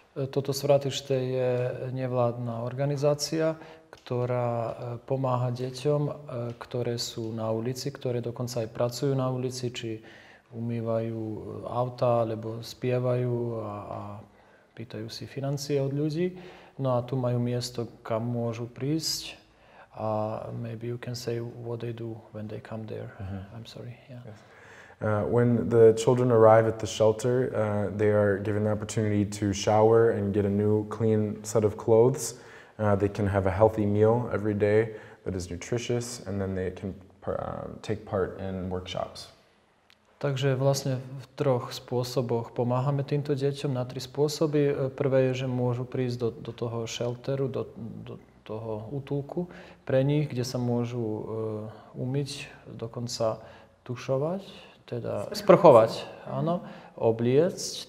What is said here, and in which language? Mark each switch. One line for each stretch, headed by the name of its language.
Slovak: Toto Fratište je nevládna organizácia, ktorá pomáha deťom, ktoré sú na ulici, ktoré dokonca aj pracujú na ulici, či umývajú auta, alebo spievajú a pýtajú si financie od ľudí. No a tu majú miesto, kam môžu prísť.
English: A maybe you can say what they do when they come there. Mm-hmm. I'm sorry. Yeah. Yes. When the children arrive at the shelter, they are given the opportunity to shower and get a new clean set of clothes. They can have a healthy meal every day that is nutritious and then they can take part in workshops.
Slovak: Takže vlastne v troch spôsoboch pomáhame týmto deťom, na tri spôsoby. Prvé je, že môžu prísť do toho shelteru, do toho útulku pre nich, kde sa môžu umyť, dokonca tušovať, teda sprchovať, áno, obliecť.